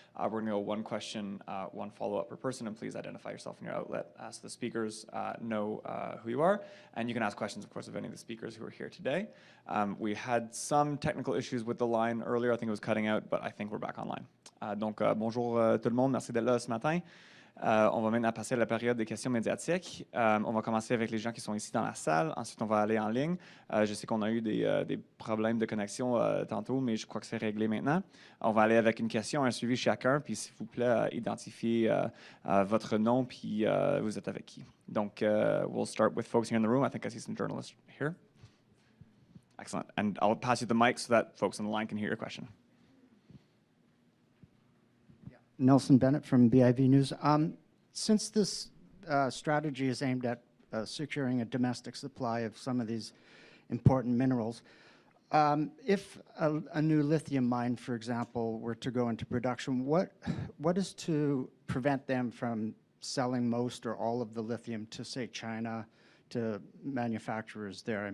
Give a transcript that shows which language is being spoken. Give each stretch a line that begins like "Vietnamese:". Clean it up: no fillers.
English: We're going to go one question, one follow-up per person, and please identify yourself and your outlet so the speakers know who you are. And you can ask questions, of course, of any of the speakers who are here today. We had some technical issues with the line earlier. I think it was cutting out, but I think we're back online.
French: Donc, bonjour tout le monde. Merci d'être là ce matin. On va maintenant passer à la période des questions médiatiques. On va commencer avec les gens qui sont ici dans la salle. Ensuite, on va aller en ligne. Je sais qu'on a eu des problèmes de connexion tantôt, mais je crois que c'est réglé maintenant. On va aller avec une question, un suivi chacun. Puis, s'il vous plaît, identifiez votre nom, puis vous êtes avec qui.
English: Donc, we'll start with folks here in the room. I think I see some journalists here. Excellent. And I'll pass you the mic so that folks on the line can hear your question. Nelson Bennett from BIV News. Since this strategy is aimed at securing a domestic supply of some of these important minerals, if a new lithium mine, for example, were to go into production, what is to prevent them from selling most or all of the lithium to, say, China, to manufacturers there?